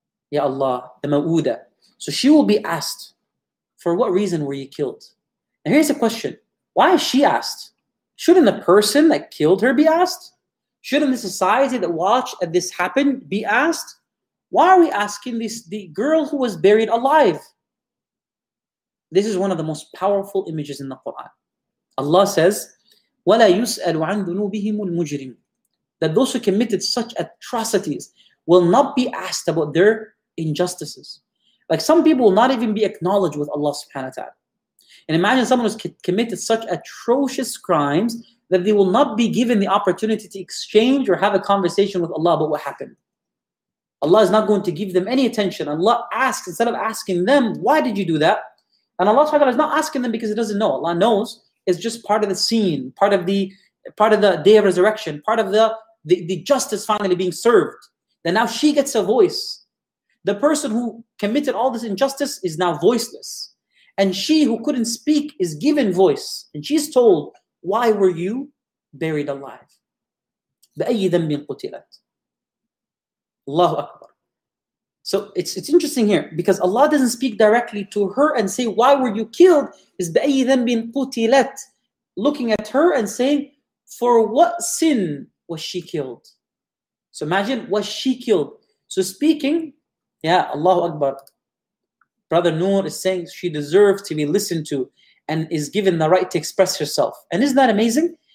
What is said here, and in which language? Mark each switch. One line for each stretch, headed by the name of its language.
English: Ya Allah, the ma'uda. So she will be asked, for what reason were you killed? Now here's a question. Why is she asked? Shouldn't the person that killed her be asked? Shouldn't the society that watched at this happen be asked? Why are we asking this, the girl who was buried alive? This is one of the most powerful images in the Quran. Allah says,
Arabic: وَلَا يُسْأَلُ عَنْ ذُنُوبِهِمُ الْمُجْرِمُ.
English: That those who committed such atrocities will not be asked about their injustices. Like some people will not even be acknowledged with Allah subhanahu wa ta'ala. And imagine someone who's committed such atrocious crimes that they will not be given the opportunity to exchange or have a conversation with Allah about what happened. Allah is not going to give them any attention. Allah asks, instead of asking them, why did you do that? And Allah subhanahu wa ta'ala is not asking them because He doesn't know. Allah knows, is just part of the scene, part of the day of resurrection, part of the justice finally being served. Then now she gets a voice. The person who committed all this injustice is now voiceless. And she who couldn't speak is given voice. And she's told, why were you buried alive?
Arabic: بأي ذنب قتلت. Allahu Akbar.
English: So it's interesting here because Allah doesn't speak directly to her and say, why were you killed? It's
Arabic: بأي ذنب قتلت.
English: Looking at her and saying, for what sin was she killed? So imagine, was she killed? So speaking, yeah, Allahu Akbar. Brother Noor is saying she deserves to be listened to and is given the right to express herself. And isn't that amazing?